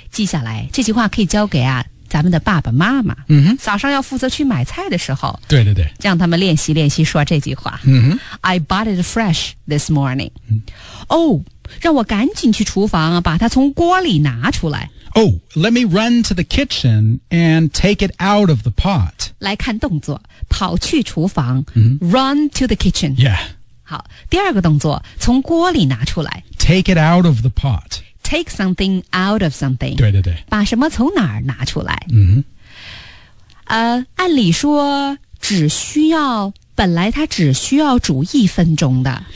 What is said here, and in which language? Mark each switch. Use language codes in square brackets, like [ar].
[zh] 记下来，这句话可以交给啊咱们的爸爸妈妈。早上要负责去买菜的时候。对对对。让他们练习练习说这句话。 [en] I bought it fresh this morning. [zh] Oh, 让我赶紧去厨房把它从锅里拿出来。 [en] Oh, let me run to the kitchen and take it out of the pot. [zh] 来看动作跑去厨房、 run to the kitchen. Yeah. 好，第二个动作，从锅里拿出来。 [en] Take it out of the pot. Take something out of something. [zh] 对对对。把什么从哪儿拿出来。按理说只需要，本来它只需要煮一分钟的。